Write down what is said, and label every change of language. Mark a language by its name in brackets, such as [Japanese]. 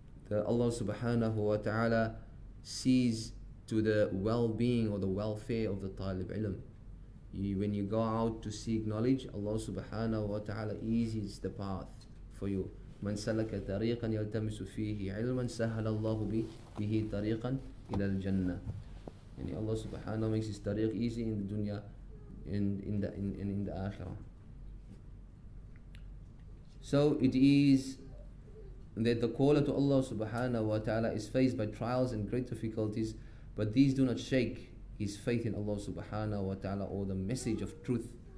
[English] Allah subhanahu wa ta'ala sees to the well-being or the welfare of the talib ilm. When you go out to seek knowledge, Allah subhanahu wa ta'ala eases the path for you. [Arabic] من سلك طريقا يلتمس فيه علما سهل الله به طريقا إلى الجنة. [English] يعني Allah subhanahu makes his tariq easy in the dunya and in the akhirah. So it is that the caller to Allah subhanahu wa ta'ala is faced by trials and great difficulties, but these do not shake his faith in Allah subhanahu wa ta'ala or the message of truth.